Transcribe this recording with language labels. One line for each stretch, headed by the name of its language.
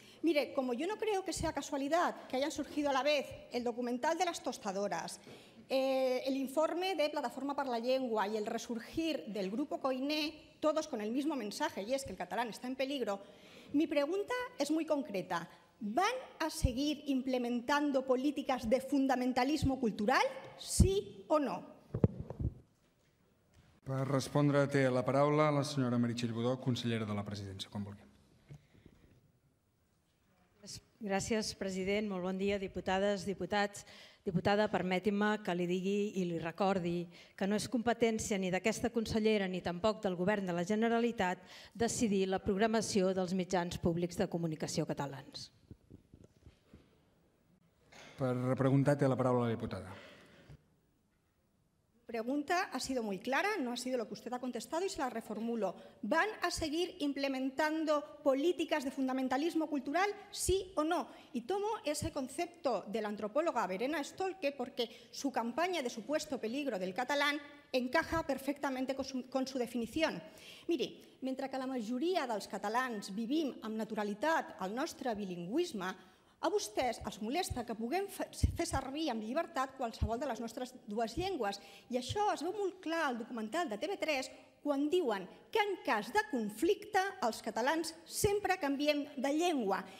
Spanish: Mire, como yo no creo que sea casualidad que hayan surgido a la vez el documental de las tostadoras, el informe de Plataforma per la Llengua y el resurgir del grupo Koiné, todos con el mismo mensaje, y es que el catalán está en peligro, mi pregunta es muy concreta. ¿Van a seguir implementando políticas de fundamentalismo cultural, sí o no?
Catalan: Per respondre té la paraula la senyora Meritxell Budó, consellera de la Presidència, quan vulgui. Gràcies, president. Molt bon dia, diputades, diputats. Diputada, permeti-me que li digui i li recordi que no és competència ni d'aquesta consellera ni tampoc del govern de la Generalitat decidir la programació dels mitjans públics de comunicació catalans. Per repreguntar té la paraula la diputada.
Spanish: La pregunta ha sido muy clara, no ha sido lo que usted ha contestado y se la reformulo. ¿Van a seguir implementando políticas de fundamentalismo cultural, sí o no? Y tomo ese concepto de la antropóloga Verena Stolke porque su campaña de supuesto peligro del catalán encaja perfectamente con su definición. Mire, mientras que la mayoría de los catalanes vivimos con naturalidad al nuestro bilingüismo,
Catalan: a vostès els molesta que puguem fer servir amb llibertat qualsevol de les nostres dues llengües. I això es veu molt clar al documental de TV3 quan diuen que en cas de conflicte els catalans sempre canviem de llengua.